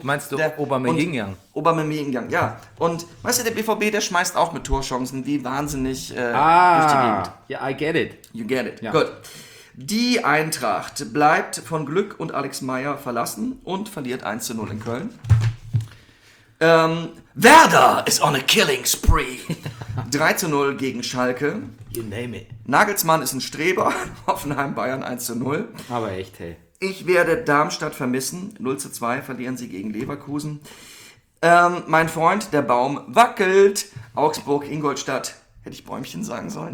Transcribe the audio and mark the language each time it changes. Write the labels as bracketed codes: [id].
[de] Meinst du Aubameyang? Aubameyang, ja. Und weißt du, der BVB, der schmeißt auch mit Torchancen wie wahnsinnig durch die Gegend. [en] Yeah, I get it. You get it, [de] ja. Gut. Die Eintracht bleibt von Glück und Alex Meyer verlassen und verliert 1:0 in Köln. [en] Werder is on a killing spree. [de] 3:0 gegen Schalke. [en] You name it. [de] Nagelsmann ist ein Streber. Hoffenheim Bayern 1:0. Aber echt, hey. Ich werde Darmstadt vermissen. 0:2 verlieren sie gegen Leverkusen. Mein Freund, der Baum wackelt. Augsburg, Ingolstadt. Hätte ich Bäumchen sagen sollen?